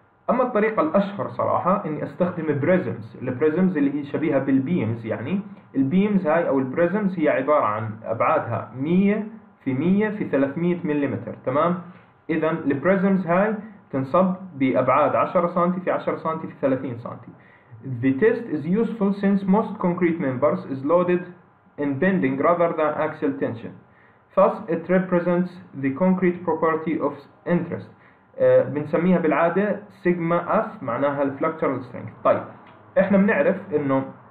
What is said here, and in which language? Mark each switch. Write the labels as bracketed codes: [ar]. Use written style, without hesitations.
[ar] أما الطريقة الأشهر صراحة أني أستخدم بريزمز. البريزمز اللي هي شبيهة بالبيمز، يعني البيمز هاي أو البريزمز هي عبارة عن أبعادها 100 في 100 في 300 ملليمتر. تمام. إذا البريزمز هاي تنصب بأبعاد 10 سنتي في 10 سنتي في 30 سنتي. [en] The test is useful since most concrete members is loaded in bending rather than axial tension. Thus, it represents the concrete property of interest. [ar] بنسميها بالعادة sigma F، معناها flexural strength. طيب، إحنا بنعرف إنه